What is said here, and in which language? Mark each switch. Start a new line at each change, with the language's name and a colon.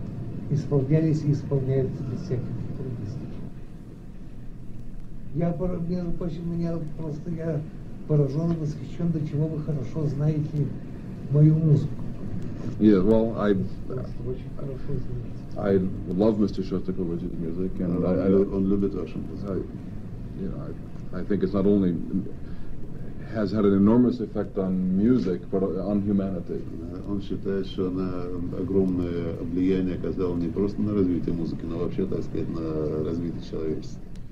Russian: Не было этих трудностей, они исполнялись и исполняются без всяких трудностей. Я поражен и восхищен, до чего вы хорошо знаете мою музыку.
English: Yeah, well, I...
Russian: Очень хорошо знаете.
English: I love Mr. Shostakovich's music, and
Russian: он любит вашу музыку.
English: I think it's not only... has had an enormous effect on music, but on humanity.
Russian: Он считает, что она огромное влияние оказала не просто на развитие музыки, но вообще, так сказать, на развитие человечества.